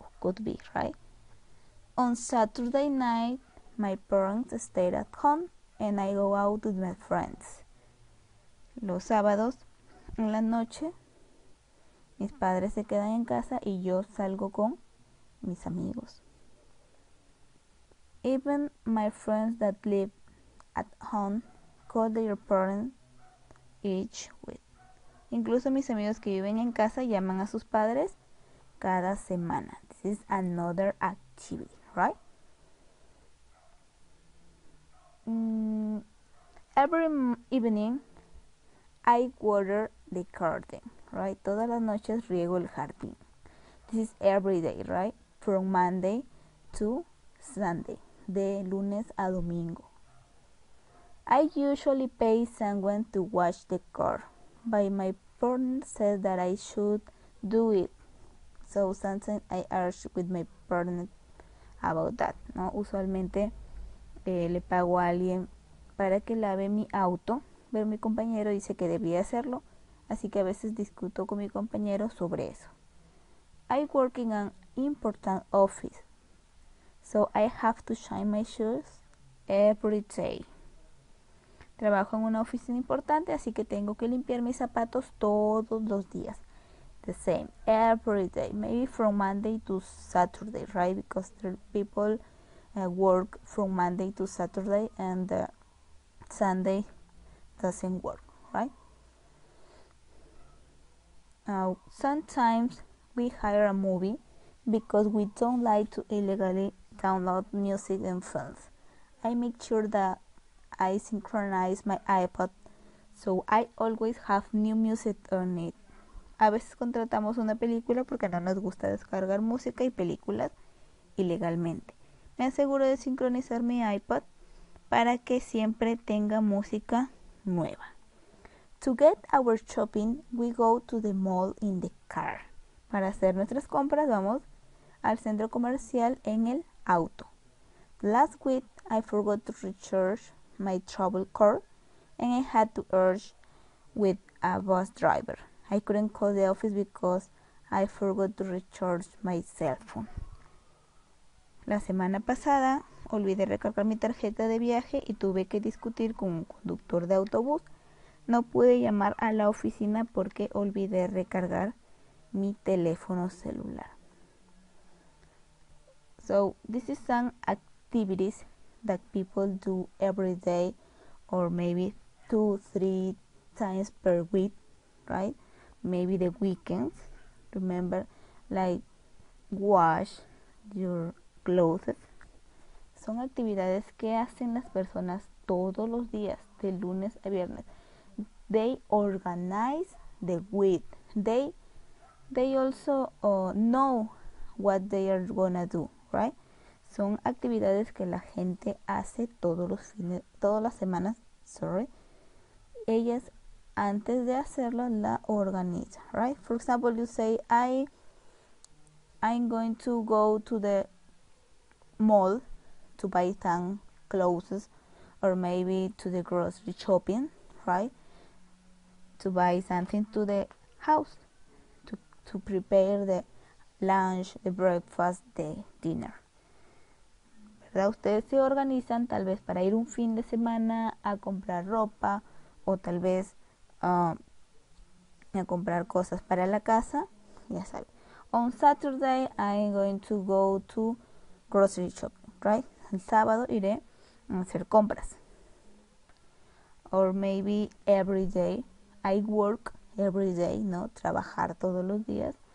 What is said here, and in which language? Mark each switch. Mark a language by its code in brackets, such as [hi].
[en] Could be, right? On Saturday night, my parents stay at home and I go out with my friends. [es] Los sábados en la noche, mis padres se quedan en casa y yo salgo con mis amigos. [en] Even my friends that live at home call their parents each week. [es] Incluso mis amigos que viven en casa llaman a sus padres cada semana. [en] This is another activity, right? Every evening I water the garden, right? [es] Todas las noches riego el jardín. [en] This is every day, right? From Monday to Sunday. [es] De lunes a domingo. [en] I usually pay someone to wash the car, but my partner says that I should do it. So sometimes I argue with my partner about that. [es] No, usualmente le pago a alguien para que lave mi auto, pero mi compañero dice que debía hacerlo, así que a veces discuto con mi compañero sobre eso. [en] I work in an important office, so I have to shine my shoes every day. [es] Trabajo en una oficina importante, así que tengo que limpiar mis zapatos todos los días. [en] The same, every day. Maybe from Monday to Saturday, right? Because the people work from Monday to Saturday and Sunday doesn't work, right? Sometimes we hire a movie because we don't like to illegally download music and films. I make sure that I synchronize my iPod, so I always have new music on it. [es] A veces contratamos una película porque no nos gusta descargar música y películas ilegalmente. Me aseguro de sincronizar mi iPod para que siempre tenga música nueva. [en] To get our shopping, we go to the mall in the car. [es] Para hacer nuestras compras, vamos al centro comercial en el auto. [en] Last week, I forgot to recharge my travel card and I had to urge with a bus driver. I couldn't call the office because I forgot to recharge my cell phone. [es] La semana pasada olvidé recargar mi tarjeta de viaje y tuve que discutir con un conductor de autobús. No pude llamar a la oficina porque olvidé recargar mi teléfono celular. [en] So this is some activities that people do every day, or maybe 2-3 times per week, right? Maybe the weekends. Remember, like, wash your clothes. [es] Son actividades que hacen las personas todos los días, de lunes a viernes. [en] They organize the week. They They also know what they are gonna do, right? [es] Son actividades que la gente hace todos los fines, todas las semanas, sorry. Ellas antes de hacerlo la organizan, right? [en] For example, you say I'm going to go to the mall to buy some clothes or maybe to the grocery shopping, right? To buy something to the house. To prepare the lunch, the breakfast, the dinner. [es] ¿Verdad? Ustedes se organizan tal vez para ir un fin de semana a comprar ropa o tal vez a comprar cosas para la casa. Ya saben. [en] On Saturday, I'm going to go to grocery shopping, right? [es] El sábado iré a hacer compras. [en] Or maybe every day, I work. Every day, ¿no? [es] Trabajar todos los días.